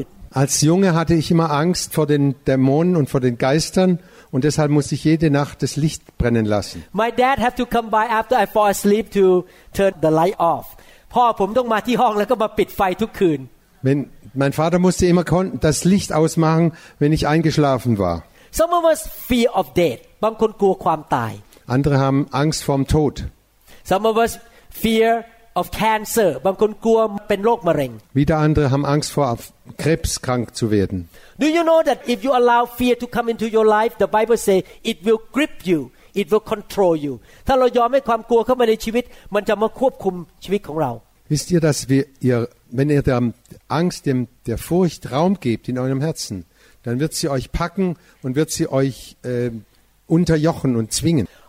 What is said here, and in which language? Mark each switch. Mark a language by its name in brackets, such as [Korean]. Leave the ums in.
[German] Als Junge hatte ich immer Angst vor den Dämonen und vor den Geistern und deshalb musste ich jede Nacht das Licht brennen lassen. [English] My dad had to come by after I fall asleep to turn the light off. [Thai] พ่อผมต้องมาที่ห้องแล้วก็มาปิดไฟทุกคืน [German] Mein Vater musste immer das Licht ausmachen, wenn ich eingeschlafen war. [English] Some of us fear of death. [Thai] บางคนกลัวความตาย [German] Andere haben Angst vom Tod. [English] Some of us fear of cancer. [Thai] บางคนกลัวเป็นโรคมะเร็ง [German] Wieder andere haben Angst vor Krebs krank zu werden. [English] Do you know that if you allow fear to come into your life, the Bible say it will grip you. It will control you. [Thai] ถ้าเรายอมให้ความกลัวเข้ามาในชีวิตมันจะมาควบคุมชีวิตของเรา [German] Wisst ihr, dass wir, ihr, wenn ihr der Angst, dem, der Furcht Raum gebt in eurem Herzen, dann wird sie euch packen und wird sie euch äh, unterjochen und zwingen.